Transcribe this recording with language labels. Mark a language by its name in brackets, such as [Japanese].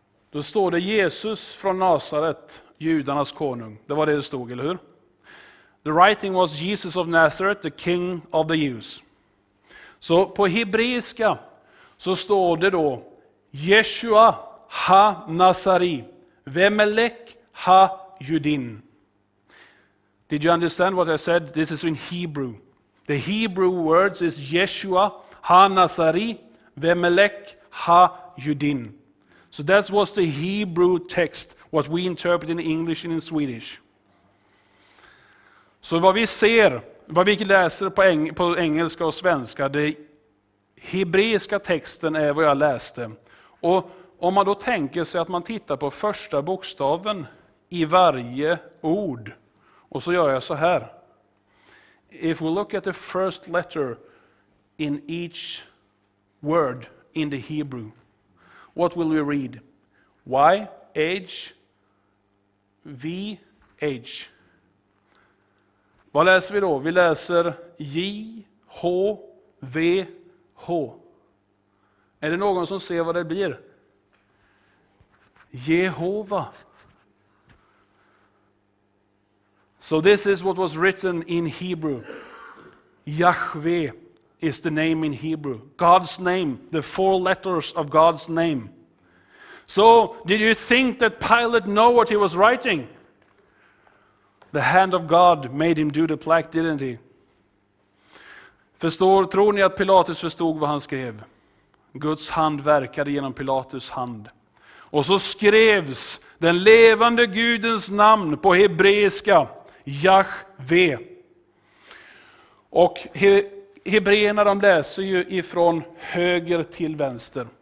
[Swedish] Då står det Jesus från Nazaret, judarnas konung. Det var det stod, eller hur? [English] The writing was Jesus of Nazareth, the king of the Jews. [Swedish] Så på hebreiska så står det då [Hebrew] Yeshua ha Nazari, Vemelek ha Judin. [English] Did you understand what I said? This is in Hebrew. The Hebrew words is [Hebrew] Yeshua ha Nazari, Vemelek ha Judin. [English] So that was the Hebrew text, what we interpret in English and in Swedish. [Swedish] Så vad vi ser, vad vi läser på engelska och svenska, det hebreiska texten är vad jag läste. Och om man då tänker sig att man tittar på första bokstaven i varje ord, och så gör jag så här. [English] If we look at the first letter in each word in the Hebrew, what will we read? Y, H, V, H. [Swedish] Vad läser vi då? Vi läser J, H, V, H. Är det någon som ser vad det blir? Jehova. [English] So this is what was written in Hebrew. Yahweh is the name in Hebrew. God's name, the four letters of God's name. So, did you think that Pilate know what he was writing? The hand of God made him do the plaque, didn't he? [Swedish] Förstår, tror ni att Pilatus förstod vad han skrev? Guds hand verkade genom Pilatus hand. Och så skrevs den levande Gudens namn på hebreiska, Yahweh. Och hebreerna de läser ju ifrån höger till vänster.